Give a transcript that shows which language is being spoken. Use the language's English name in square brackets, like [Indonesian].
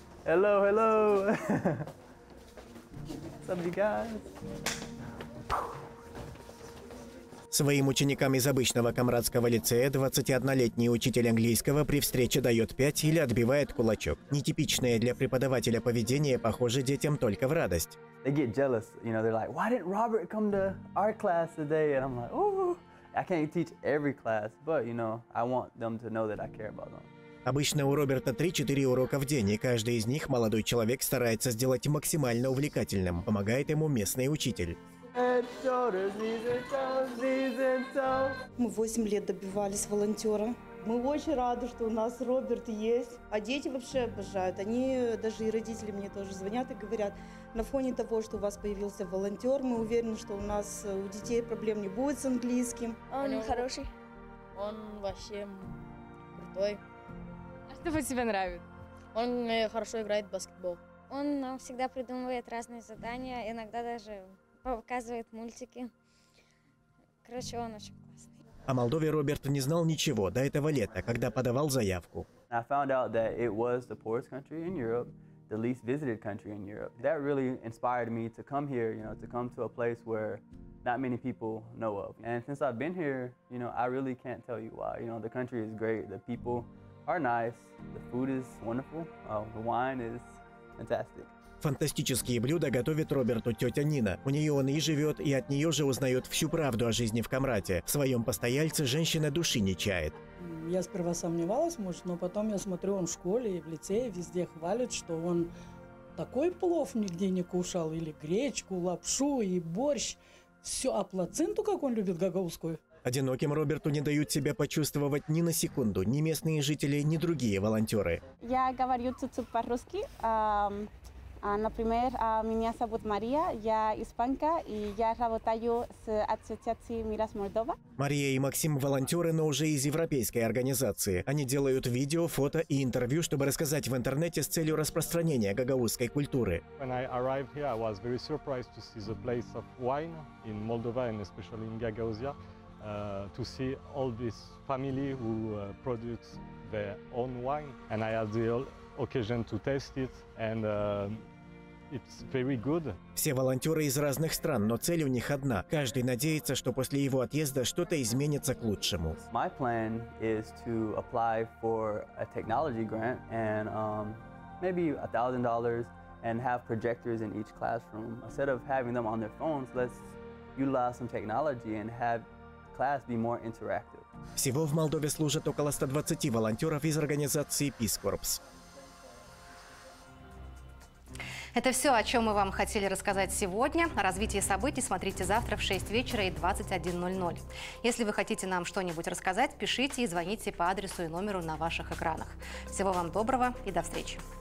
[English] Hello, hello. Some you guys. [Russian] Своим ученикам из обычного камрадского лицея 21-летний учитель английского при встрече дает 5 или отбивает кулачок. Нетипичное для преподавателя поведение похоже детям только в радость. [English] They get jealous, you know, they're like, why didn't Robert come to our class today? And I'm like, oh, I can't teach every class, but you know, I want them to know that I care about them. [Russian] Обычно у Роберта 3-4 урока в день, и каждый из них молодой человек старается сделать максимально увлекательным. Помогает ему местный учитель. Мы 8 лет добивались волонтера. Мы очень рады, что у нас Роберт есть. А дети вообще обожают. Они, даже и родители мне тоже звонят и говорят, на фоне того, что у вас появился волонтер, мы уверены, что у нас у детей проблем не будет с английским. Он хороший. Он вообще крутой. Что тебе нравится? Он хорошо играет в баскетбол. Он всегда придумывает разные задания, иногда даже показывает мультики. Короче, он очень классный. О Молдове Роберт не знал ничего до этого лета, когда подавал заявку. [English] I found out that it was the poorest country in Europe, the least visited country in Europe. That really inspired me to come here, you know, to come to a place where not many people know of. And since I've been here, you know, I really can't tell you why. You know, the country is great, the people are nice, the food is wonderful, the wine is fantastic. [Russian] Фантастические блюда готовит Роберту тетя Нина. У нее он и живет, и от нее же узнает всю правду о жизни в Камраде. В своем постояльце женщина души не чает. Я сперва сомневалась, может, но потом я смотрю, он в школе и в лицее везде хвалит, что он такой плов нигде не кушал, или гречку, лапшу и борщ. Все, а плацинту, как он любит гагаузскую. Одиноким Роберту не дают себя почувствовать ни на секунду, ни местные жители, ни другие волонтеры. Я говорю чуть-чуть по-русски. Например, меня зовут Мария, я испанка, и я работаю с ассоциацией Мирас Молдова. Мария и Максим – волонтеры, но уже из европейской организации. Они делают видео, фото и интервью, чтобы рассказать в интернете с целью распространения гагаузской культуры. [English] When I arrived here, I was very surprised to see the place of wine in Moldova, and especially in Gagauzia. To see all this family who produce their own wine, and I had the occasion to taste it, and it's very good. [Russian] Все волонтеры из разных стран, но цель у них одна. Каждый надеется, что после его отъезда что-то изменится к лучшему. [English] My plan is to apply for a technology grant and maybe $1,000 and have projectors in each classroom. Instead of having them on their phones, let's utilize some technology and have class be more interactive. [Russian] Всего в Молдове служат около 120 волонтеров из организации Peace Corps. Это все, о чем мы вам хотели рассказать сегодня. О развитии событий смотрите завтра в 6 вечера и 21:00. Если вы хотите нам что-нибудь рассказать, пишите и звоните по адресу и номеру на ваших экранах. Всего вам доброго и до встречи.